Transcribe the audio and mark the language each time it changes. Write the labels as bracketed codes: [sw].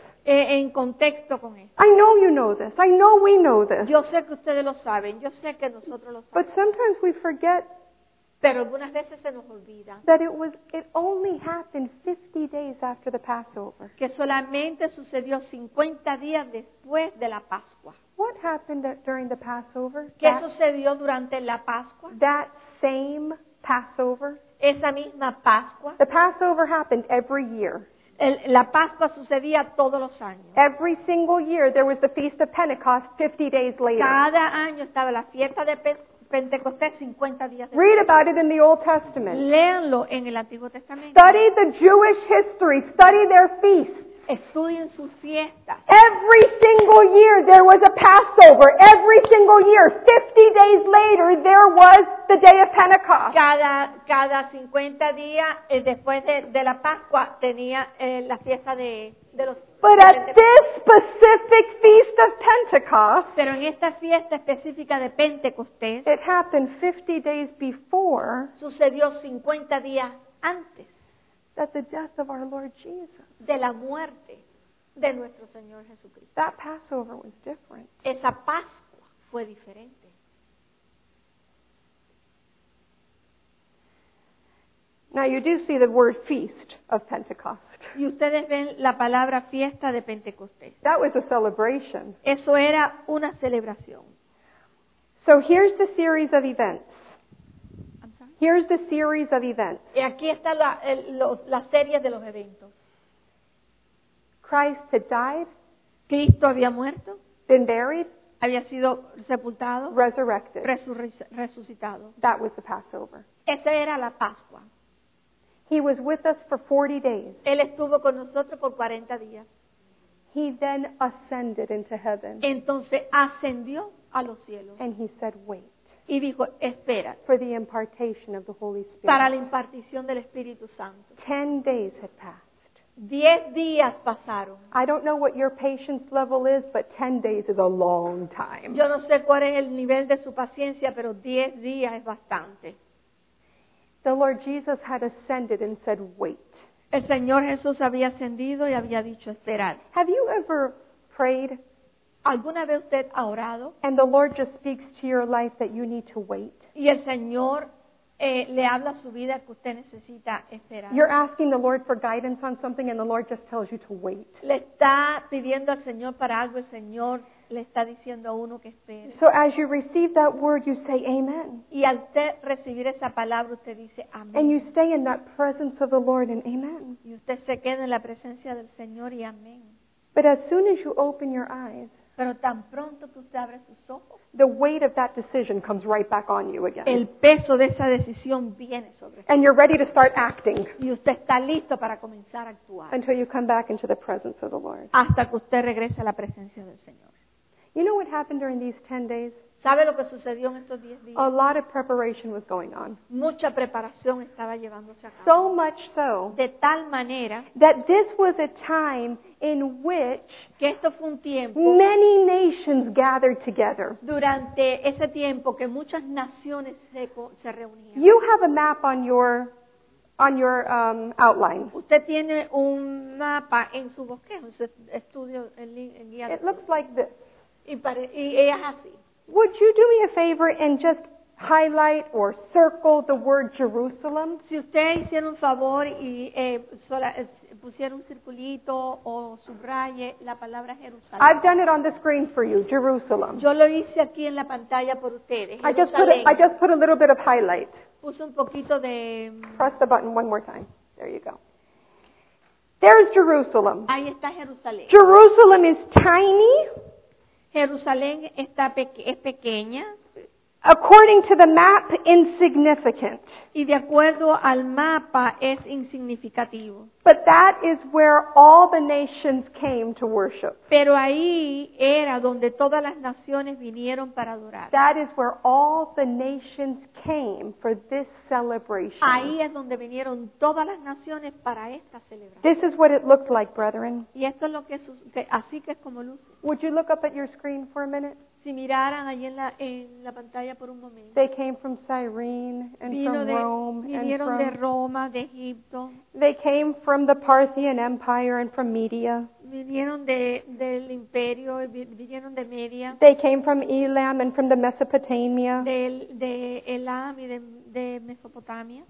[es] En contexto con esto. [en] I know you know this. I know we know this. [es] Yo sé que ustedes lo saben. Yo sé que nosotros lo sabemos. [en] But sometimes we forget. [es] Pero algunas veces se nos olvida. [en] That it only happened 50 days after the Passover. [es] Que solamente sucedió 50 días después de la Pascua. [en] What happened during the Passover? [es] ¿Qué sucedió durante la Pascua? [en] That same Passover. [es] Esa misma Pascua. [en] The Passover happened every year. [es] La Pascua sucedía todos los años. [en] Every single year there was the Feast of Pentecost 50 days later. [es] Cada año estaba la fiesta de Pentecostés 50 días después. [en] Read about it in the Old Testament. [es] Léanlo en el Antiguo Testamento. [en] Study the Jewish history. Study their feasts. [es] Estudien sus fiestas. [en] Every single year there was a Passover. Every single year, 50 days later, there was the day of Pentecost. [es] Cada 50 días después de la Pascua tenía la fiesta de los. [en] But at this specific feast of Pentecost, [es] pero en esta fiesta específica de Pentecostés, [en] it happened 50 days before. [es] Sucedió 50 días antes. [en] That the death of our Lord Jesus. [es] De la muerte de nuestro Señor Jesucristo. [en] That Passover was different. [es] Esa Pascua fue diferente. [en] Now you do see the word feast of Pentecost. [es] Y ustedes ven la palabra fiesta de Pentecostés. [en] That was a celebration. [es] Eso era una celebración. [en] So here's the series of events. Here's the series of events. [es] Y aquí está la serie de los eventos. [en] Christ had died. [es] Cristo había muerto. [en] Been buried. [es] Había sido sepultado. [en] Resurrected. [es] Resucitado. [en] That was the Passover. [es] Esa era la Pascua. [en] He was with us for 40 days. [es] Él estuvo con nosotros por 40 días. [en] He then ascended into heaven. [es] Entonces ascendió a los cielos. [en] And he said, wait. [es] Y dijo, espera. [en] For the impartation of the Holy Spirit. [es] Para la impartición del Espíritu Santo. [en] 10 days had passed. [es] 10 días pasaron. [en] I don't know what your patience level is, but 10 days is a long time. [es] Yo no sé cuál es el nivel de su paciencia, pero 10 días es bastante. [en] The Lord Jesus had ascended and said, wait. [es] El Señor Jesús había ascendido y había dicho, esperar. [en] Have you ever prayed? [es] ¿Alguna vez usted ha orado? [en] And the Lord just speaks to your life that you need to wait. [es] Y el Señor le habla su vida que usted necesita esperar. [en] You're asking the Lord for guidance on something and the Lord just tells you to wait. [es] Le está pidiendo al Señor para algo, el Señor le está diciendo a uno que espere. [en] So as you receive that word, you say amen. [es] Y al usted recibir esa palabra, usted dice amén. [en] And you stay in that presence of the Lord and amen. [es] Y usted se queda en la presencia del Señor y amén. [en] But as soon as you open your eyes, [es] pero tan pronto que usted abre sus ojos, [en] the weight of that decision comes right back on you again. [es] El peso de esa decisión viene sobre [en] and you're ready to start acting. [es] Y usted está listo para comenzar a actuar. [en] Until you come back into the presence of the Lord. [es] Hasta que usted regrese a la presencia del Señor. [en] You know what happened during these 10 days? [es] ¿Sabe lo que sucedió en estos 10 días? [en] A lot of preparation was going on. [es] Mucha preparación estaba llevándose a cabo. [en] So much so. [es] De tal manera. [en] That this was a time in which [es] que esto fue un tiempo, [en] many nations gathered together. [es] Durante ese tiempo que muchas naciones se reunían. [en] You have a map on your outline. [es] Usted tiene un mapa en su bosquejo, en su estudio, en guía. [en] It looks like this. [es] Y es así. [en] Would you do me a favor and just highlight or circle the word Jerusalem? [es] Si usted hiciera un favor y pusiera un circulito o subraye la palabra Jerusalén. [en] I've done it on the screen for you, Jerusalem. [es] Yo lo hice aquí en la pantalla por ustedes. [en] I just put a little bit of highlight. [es] Puse un poquito de. [en] Press the button one more time. There you go. There's Jerusalem. [es] Ahí está Jerusalén. [en] Jerusalem is tiny. [es] Jerusalén está es pequeña. [en] According to the map, insignificant. [es] Y de acuerdo al mapa es insignificativo. [en] But that is where all the nations came to worship. [es] Pero ahí era donde todas las naciones vinieron para adorar. [en] That is where all the nations came for this celebration. [es] Ahí es donde vinieron todas las naciones para esta celebración. [en] This is what it looked like, brethren. [es] Y esto es lo que así que es como luce. [en] Would you look up at your screen for a minute? [es] Si miraran allí en la pantalla por un momento. [en] They came from Cyrene and [es] vino [en] from Rome [es] de, vinieron [en] and from, [es] de Roma, de Egipto. [en] They came from the Parthian Empire and from Media. [es] Vinieron del imperio, vinieron de Media. [en] They came from Elam and from the Mesopotamia. [es] De Elam y de Mesopotamia.